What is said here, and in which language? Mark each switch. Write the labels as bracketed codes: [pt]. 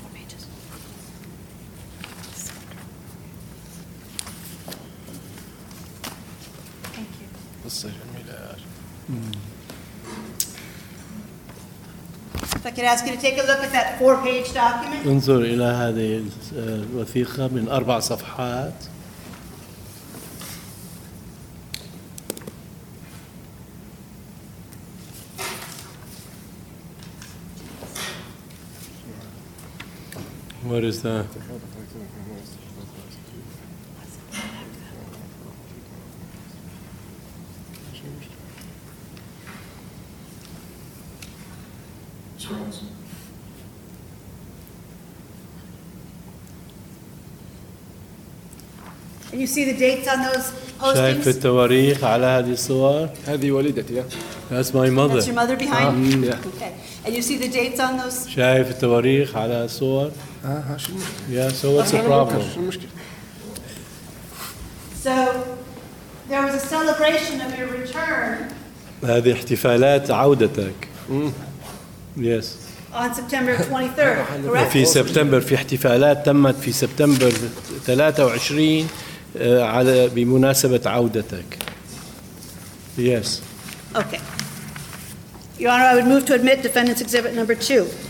[en] Just this. Thank you. [ar] قصة جميلة يا أخي. [en] If I could ask you to take a look at that four-page document. [ar] انظر إلى هذه الوثيقة من أربع صفحات. [en] What is that? And you see the dates on those postings? [ar] شايف التواريخ على هذه الصور؟ هذه والدتي. [en] That's my mother. That's your mother behind you? Yeah. Okay. And you see the dates on those? [ar] شايف التواريخ على الصور؟ [en] Yeah, so what's the problem? So, there was a celebration of your return. [ar] هذه احتفالات عودتك. [en] Yes. On September 23rd, correct? [ar] في سبتمبر في احتفالات تمت في سبتمبر 23 على بمناسبة عودتك. [en] Yes. Okay. Your Honor, I would move to admit defendant's exhibit number 2.